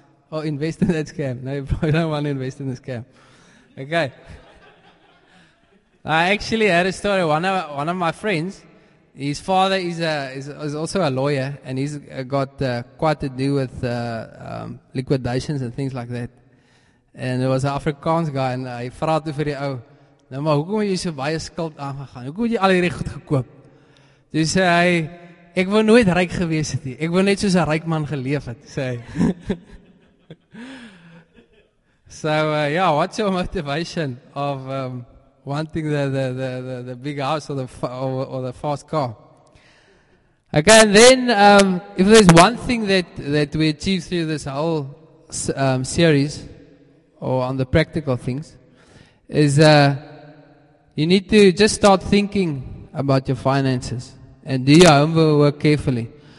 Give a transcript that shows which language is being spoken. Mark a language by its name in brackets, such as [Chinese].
[English] Or invest in that scam? No, you probably don't want to invest in the scam. Okay. I actually had a story. One of my friends, his father is also a lawyer, and he's got quite to do with liquidations and things like that. [Afrikaans] En er was 'n Afrikaans guy en hy vra toe vir die ou: "Nou maar hoekom het jy so baie skuld aangegaan? Hoekom het jy al hierdie goed gekoop?" Toe sê hy: "Ek wou nooit ryk gewees het nie. Ek wou net soos 'n ryk man geleef het," sê hy. [English] So what's your motivation of wanting the big house or the fast car? Okay, and then if there's one thing that we achieve through this whole series, or on the practical things, is you need to just start thinking about your finances and do your homework carefully.